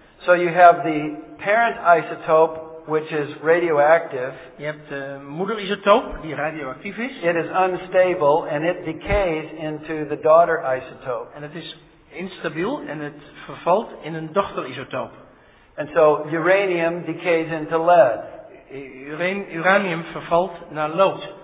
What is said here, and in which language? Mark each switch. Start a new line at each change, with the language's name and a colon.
English: So you have the parent isotope, which is radioactive.
Dutch: Je hebt de moederisotoop die radioactief is.
English: It is unstable and it decays into the daughter isotope.
Dutch: En het is instabiel en het vervalt in een dochterisotoop.
English: And so uranium decays into lead.
Dutch: Uranium vervalt naar lood.